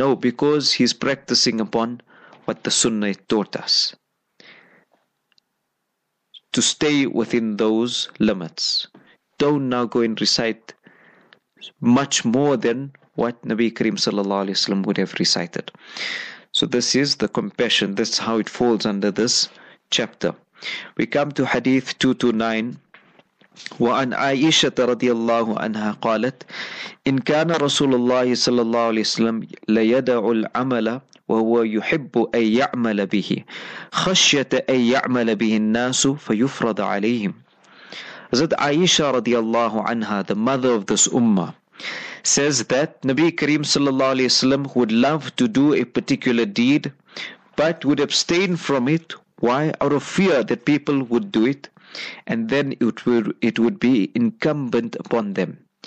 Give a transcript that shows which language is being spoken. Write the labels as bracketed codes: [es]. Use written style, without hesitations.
[en] No, because he's practicing upon what the Sunnah taught us, to stay within those limits. Don't now go and recite much more than what Nabi Karim sallallahu alayhi wa sallam would have recited. So this is the compassion. This is how it falls under this chapter. We come to Hadith 229. [ar] وعن عائشة رضي الله عنها قالت إن كان رسول الله صلى الله عليه وسلم ليدع العمل وهو يحب أن يعمل به خشية أن يعمل به الناس فيفرض عليهم. [en] Hazrat Aisha [ar] رضي الله عنها, [en] the mother of this ummah, says that Nabi Kareem [ar] صلى الله عليه وسلم [en] would love to do a particular deed but would abstain from it. Why? Out of fear that people would do it, and then it would be incumbent upon them.